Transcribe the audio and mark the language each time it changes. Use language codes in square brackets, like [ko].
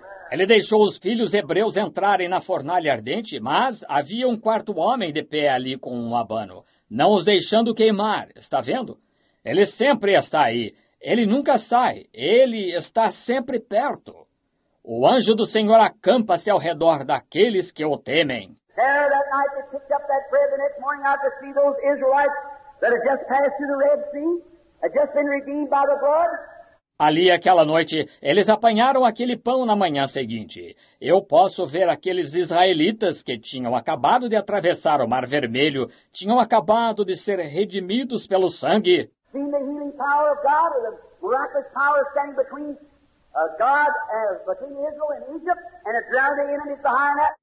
[pt] Ele deixou os filhos hebreus entrarem na fornalha ardente, mas havia um quarto homem de pé ali com um abano, não os deixando queimar, está vendo? Ele sempre está aí, ele nunca sai, ele está sempre perto. O anjo do Senhor acampa-se ao redor daqueles que o temem. [en] There, that night they picked up that bread, the next morning out to see those Israelites that had just passed through the Red Sea, had just been redeemed by the blood. [pt] Ali, aquela noite, eles apanharam aquele pão na manhã seguinte. Eu posso ver aqueles israelitas que tinham acabado de atravessar o Mar Vermelho, tinham acabado de ser redimidos pelo sangue. [en] Seeing the healing power of God, the miraculous power standing between God as between Israel and Egypt, and it drowned the enemies behind that.